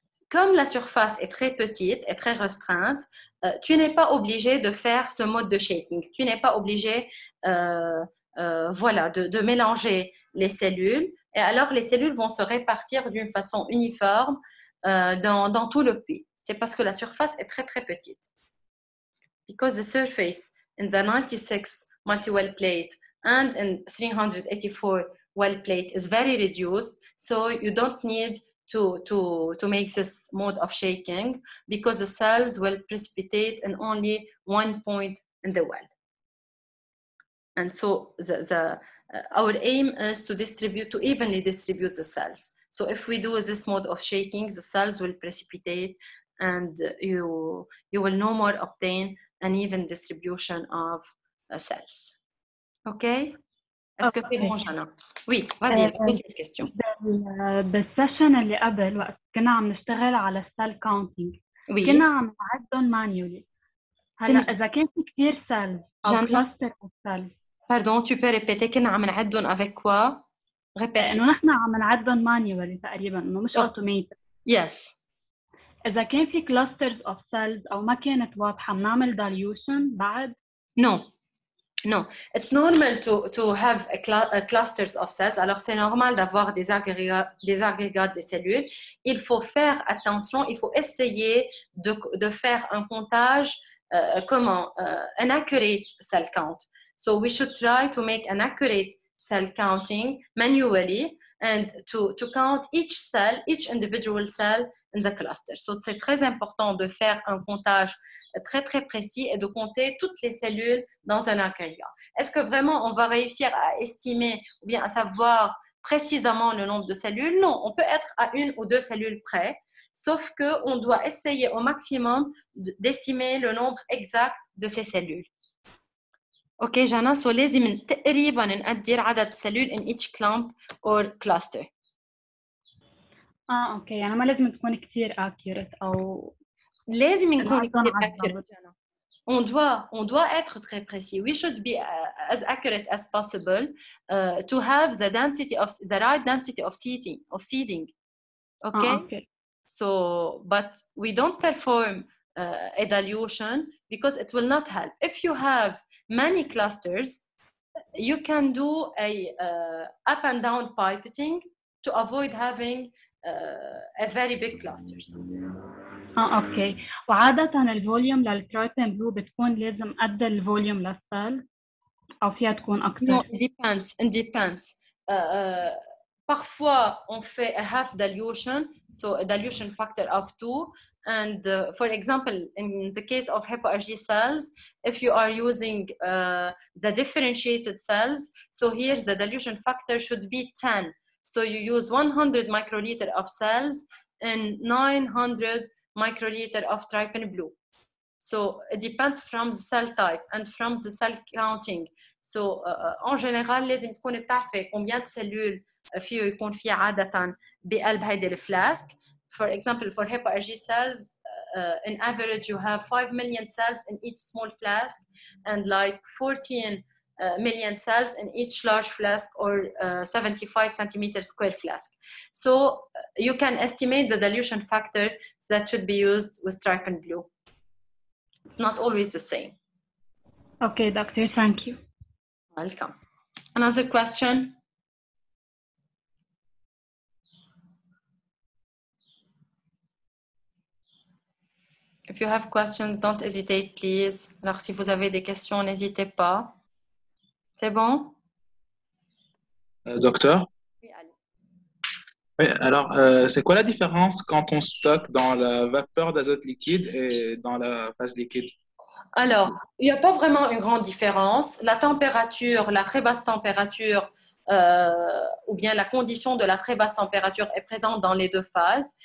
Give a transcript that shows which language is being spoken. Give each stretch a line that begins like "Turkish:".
French: Comme la surface est très petite et très restreinte, tu n'es pas obligé de faire ce mode de shaking. Tu n'es pas obligé de mélanger les cellules. Et alors, les cellules vont se répartir d'une façon uniforme dans tout le puits. C'est parce que la surface est très, très petite.
English: Because the surface in the 96 multi-well plate and in 384 well plate is very reduced, so you don't need to make this mode of shaking because the cells will precipitate in only one point in the well. And so our aim is to distribute, to evenly distribute the cells. So if we do this mode of shaking, the cells will precipitate and you will no more obtain an even distribution of cells.
French: Okay? Est-ce que c'est bon, Jana? Oui, vas-y, pose une question. Dans la session
Arabic: اللي قبل,
French: quand on a cell counting, on a fait un manuel. Alors, si on a beaucoup de cells, un cluster de cells. Pardon, tu peux répéter, on a fait un avec quoi? Répète. Nous, on a fait un manuel, c'est pas automatique.
English: Yes.
Arabic: إذا كان في
English: clusters of cells
Arabic: أو ما كانت واضحة بنعمل dilution بعد؟
English: No. It's normal to have clusters of cells.
French: Alors c'est normal d'avoir des aggregats de cellules. Il faut faire attention, il faut essayer de faire un comptage,
English: an accurate cell count. So we should try to make an accurate cell counting manually and to count each cell, each individual cell in the cluster.
French: So c'est très important de faire un comptage très très précis et de compter toutes les cellules dans un aggregat. Est-ce que vraiment on va réussir à estimer ou bien à savoir précisément le nombre de cellules? Non, on peut être à une ou deux cellules près, sauf que on doit essayer au maximum d'estimer le nombre exact de ces cellules.
English: OK, Jana, so
Arabic: لازم تقريبا نقدر عدد
English: cellules in each clump or cluster.
Arabic: OK, يعني ما لازم تكون كثير accurate او لازم نكون
French: accurate. On doit être très précis.
English: We should be as accurate as possible to have the right density of seeding. Okay? So but we don't perform a dilution because it will not help. If you have many clusters, you can do a up and down pipetting to avoid having a very big clusters. Okay.
Arabic: وعادة الvolume للcrotin blue بتكون لازم قد الvolume للسل أو فيها تكون أكثر.
English: No, it depends.
French: Parfois on fait
English: a half dilution, so a dilution factor of 2. And for example, in the case of hepo-IgG cells, if you are using the differentiated cells, so here the dilution factor should be 10. So you use 100 microliter of cells and 900 microliter of trypan blue. So it depends from the cell type and from the cell counting.
Arabic: So
French: en général,
Arabic: لازم تكون بتعرفي
French: combien de cellules
Arabic: فيه يكون فيه عادة بقلب هيدي الفلاسك.
English: For example, for hepo-IgG cells, in average, you have 5 million cells in each small flask and like 14 million cells in each large flask or 75 centimeter square flask. So you can estimate the dilution factor that should be used with trypan blue. It's not always the same. Okay, doctor, thank you. Welcome. Another question? If you have questions, don't hesitate, please.
French: Alors, si vous avez des questions, n'hésitez pas. C'est bon? Docteur? Oui, allez. Oui, alors, c'est quoi la différence quand on stocke dans la vapeur d'azote liquide et dans la phase liquide? Alors, il n'y a pas vraiment une grande différence. La température, la très basse température, ou bien la condition de la très basse température est présente dans les deux phases.